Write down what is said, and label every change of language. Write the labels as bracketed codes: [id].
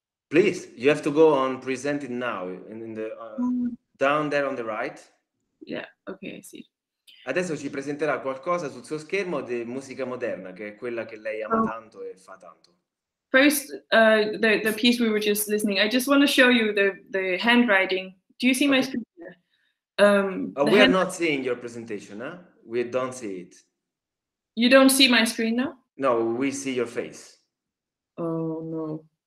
[en] Please, you have to go on present it now, in the down there on the right. Yeah, okay, I see. [it] Adesso ci presenterà qualcosa sul suo schermo di musica moderna, che è quella che lei ama tanto e fa tanto. [en] First, the piece we were just listening, I just want to show you the handwriting. Do you see my Okay. screen? Oh, we are not seeing your presentation, huh? We don't see it. You don't see my screen now? No, we see your face. Oh, no.